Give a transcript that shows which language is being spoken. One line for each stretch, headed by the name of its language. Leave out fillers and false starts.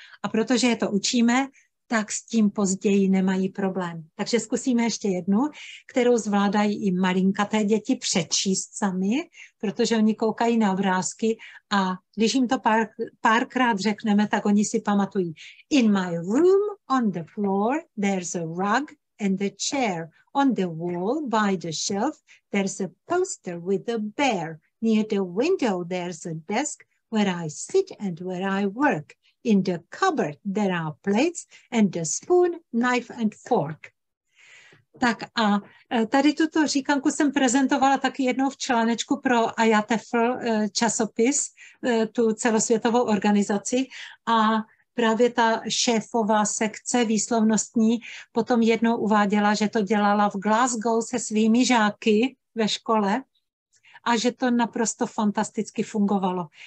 Czech: A protože je to učíme, tak s tím později nemají problém. Takže zkusíme ještě jednu, kterou zvládají i malinkaté děti přečíst sami, protože oni koukají na obrázky a když jim to párkrát řekneme, tak oni si pamatují.
English: In my room on the floor there's a rug and a chair. On the wall by the shelf there's a poster with a bear. Near the window there's a desk where I sit and where I work. In the cupboard there are plates and a spoon, knife and fork.
Czech: Tak a tady tuto říkanku jsem prezentovala taky jednou v článečku pro IATEFL časopis, tu celosvětovou organizaci a právě ta šéfová sekce výslovnostní potom jednou uváděla, že to dělala v Glasgow se svými žáky ve škole a že to naprosto fantasticky fungovalo.